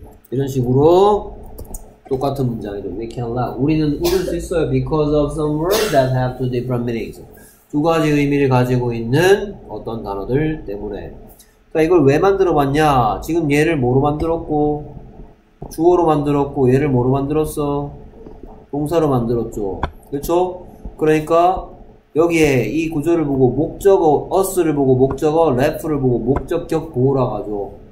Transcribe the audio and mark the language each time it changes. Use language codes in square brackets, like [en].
[ko] 이런 식으로 똑같은 문장이죠. [en] We can laugh. [ko] 우리는 웃을 수 있어요. [en] Because of some words that have two different meanings. [ko] 두 가지 의미를 가지고 있는 어떤 단어들 때문에. 자, 이걸 왜 만들어 봤냐? 지금 얘를 뭐로 만들었고, 주어로 만들었고, 얘를 뭐로 만들었어? 동사로 만들었죠. 그렇죠? 그러니까 여기에 이 구조를 보고 목적어 us를 보고 목적어 left를 보고 목적격 보호라고 하죠.